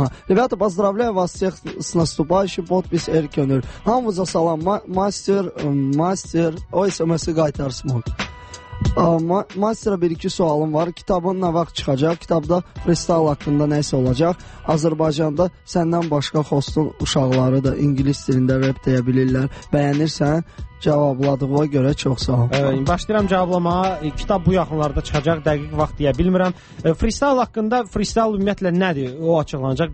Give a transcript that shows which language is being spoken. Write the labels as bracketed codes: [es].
[ru] Ребята, поздравляю вас всех с наступающим, подпись Эркенер. [az] Hamıza salam, master, o SMS-i qaytarsın. Master'a bir iki sualım var. Kitabın nə vaxt çıxacaq? Kitabda freestyle haqqında nəsə olacaq? Azərbaycanda səndən başqa hostun uşaqları da ingilis dilində rap deyə bilirlər. Bəyənirsən? Cavabladığına görə çox sağ ol. Başlayıram cavablamağa. Kitab bu yaxınlarda çıxacaq. Dəqiq vaxt deyə bilmirəm. Freestyle haqqında freestyle ümumiyyətlə nədir? O açıqlanacaq.